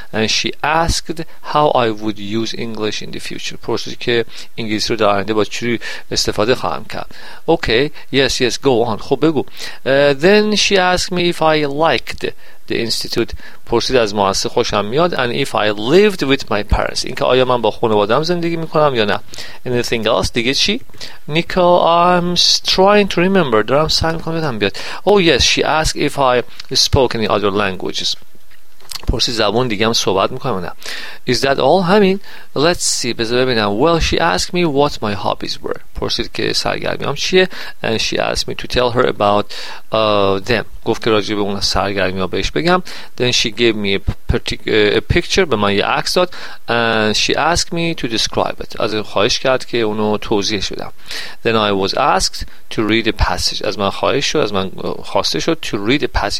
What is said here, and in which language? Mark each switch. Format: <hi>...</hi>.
<en>And she asked how I would use English in the future.</en> <fa>پرسید که انگلیسی رو در آینده با چجوری استفاده خواهم کرد.</fa> <en>Okay, yes, yes, go on.</en> <fa>خب بگو.</fa> <en>Then she asked me if I liked the institute.</en> <fa>پرسید از مؤسسه خوشم میاد.</fa> <en>And if I lived with my parents.</en> <fa>این که آیا من با خانواده‌ام زندگی میکنم یا نه.</fa> <en>Anything else?</en> <fa>دیگه چی؟</fa> <en>Nicole, I'm trying to remember.</en> <fa>دارم سعی میکنم یادم بیاد.</fa> <en>Oh yes, she asked if I spoke any other languages.</en> <fa>پرسید زبان دیگه هم صحبت میکنم یا نه.</fa> <en>Is that all?</en> <fa>همین.</fa> <en>Let's see.</en> <fa>بذار ببینم.</fa> <en>Well, she asked me what my hobbies were.</en> <fa>پرسید که سرگرمیام چیه.</fa> <en>And she asked me to tell her about them.</en> <fa>گفت که راجع به اون سرگرمی ها بهش بگم.</fa> <en>Then she gave me a picture.</en> <fa>به من یه عکس داد.</fa> <en>And she asked me to describe it.</en> <fa>از این خواهش کرد که اونو توضیح شدم.</fa> <en>Then I was asked to read a passage.</en> <fa>از من خواهش شد. از من خواسته شد</fa> <en>to read a passage.</en>